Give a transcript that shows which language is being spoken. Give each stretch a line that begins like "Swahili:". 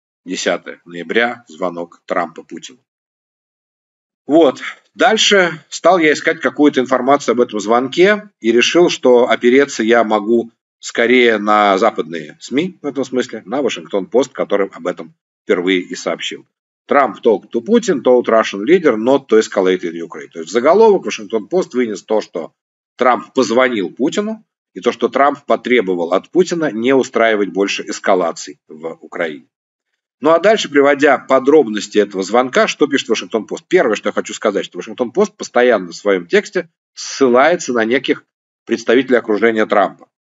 Russian: 10 ноября, звонок Трампа Путину. Вот. Дальше стал я искать какую-то информацию об этом звонке и решил, что опереться я могу скорее на западные СМИ, в этом смысле, на Вашингтон-Пост, которым об этом впервые и сообщил.
English: Трамп talk to Putin, told Russian leader, not to escalate in Ukraine.
Russian: То есть в заголовок Вашингтон-Пост вынес то, что Трамп позвонил Путину, и то, что Трамп потребовал от Путина не устраивать больше эскалаций в Украине. Ну а дальше, приводя подробности этого звонка, что пишет Вашингтон-Пост? Первое, что я хочу сказать, что Вашингтон-Пост постоянно в своем тексте ссылается на неких представителей окружения Трампа.